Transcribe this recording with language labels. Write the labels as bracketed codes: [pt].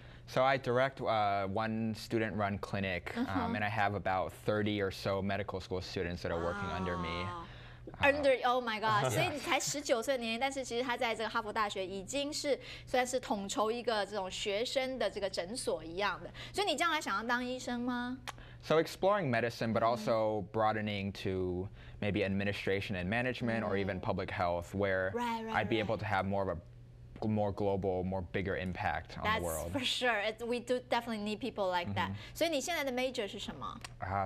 [en] So I direct one student-run clinic, and I have about 30 or so medical school students that are working under me. Oh my god！ [zh] 所以你才19岁的年龄，但是其实他在这个哈佛大学已经是算是统筹一个这种学生的这个诊所一样的。所以你将来想要当医生吗 [en] ？So exploring medicine, but also broadening to maybe administration and management, or even public health, where I'd be able to have more of a more global, more bigger impact on That's the world. That's for sure. We do definitely need people like that. So, what's your major now?